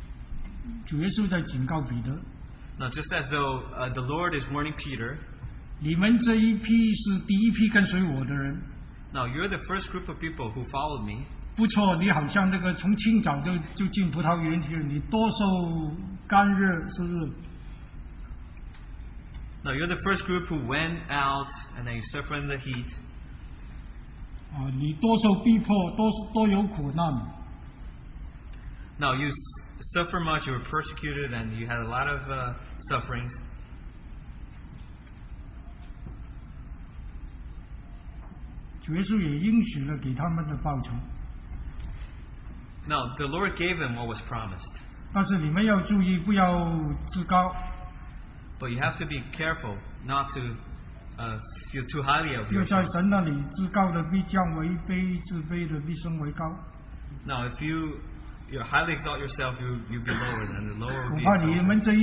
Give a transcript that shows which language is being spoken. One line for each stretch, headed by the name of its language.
Chinese: 就好像说，主耶稣在警告彼得。
English: Now, just as though the Lord is warning Peter.
Chinese: 你们这一批是第一批跟随我的人。
English: Now you're the first group of people who followed me.
Chinese: 不错，你好像那个从清早就进葡萄园去了，你多受干热，是不是？
English: Now you're the first group who went out and then you suffered in the heat.
Chinese: 你多受逼迫，多有苦难。
English: Now you suffer much, you were persecuted and you had a lot of sufferings.
Chinese: 耶稣也应许了给他们的报酬。
English: Now the Lord gave them what was promised.
Chinese: 但是你们要注意不要自高。
English: But you have to be careful not to feel too highly of yourself.
Chinese: 又在神那里自高的必降为卑，自卑的必升为高。
English: Now if you highly exalt yourself, you'll be lower, and the lower will be